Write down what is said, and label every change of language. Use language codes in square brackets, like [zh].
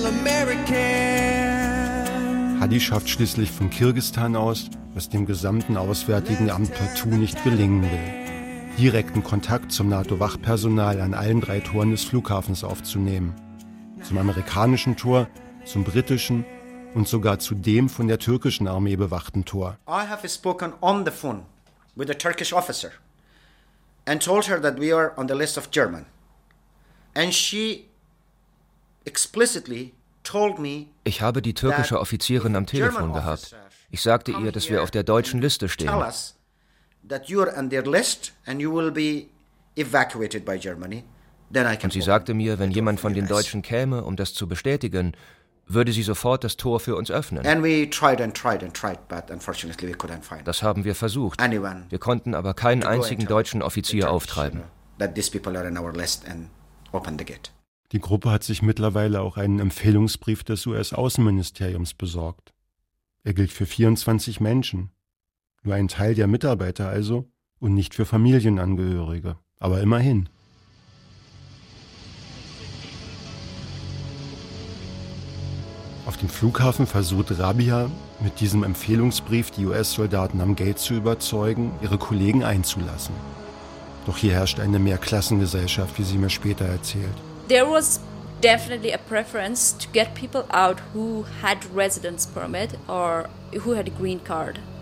[de] Hadi schafft schließlich von Kirgisistan aus, was dem gesamten Auswärtigen Amt partout nicht gelingen will. Direkten Kontakt zum NATO-Wachpersonal an allen drei Toren des Flughafens aufzunehmen. Zum amerikanischen Tor, zum britischen und sogar zu dem von der türkischen Armee bewachten Tor. [en] I have spoken on the phone with a Turkish officer and told her that we are on the list of German. And she explicitly told me. [de] Ich habe die türkische Offizierin am Telefon gehabt. Ich sagte ihr, dass wir auf der deutschen Liste stehen. [en] That you're on their list and you will be evacuated by Germany. Then I can. [de] Und sie sagte mir, wenn jemand von den Deutschen käme, um das zu bestätigen, würde sie sofort das Tor für uns öffnen. [en] And we tried and tried and tried, but unfortunately we couldn't find. [de] Das haben wir versucht. Wir konnten aber keinen einzigen deutschen Offizier auftreiben. [en] That these people are on our list and open the gate. [de] Die Gruppe hat sich mittlerweile auch einen Empfehlungsbrief des US-Außenministeriums besorgt. Er gilt für 24 Menschen. Nur ein Teil der Mitarbeiter also und nicht für Familienangehörige. Aber immerhin. Auf dem Flughafen versucht Rabia, mit diesem Empfehlungsbrief die US-Soldaten am Gate zu überzeugen, ihre Kollegen einzulassen. Doch hier herrscht eine Mehrklassengesellschaft, wie sie mir später erzählt. [en] There was definitely a preference to get people out who had residence permit or who had a green card.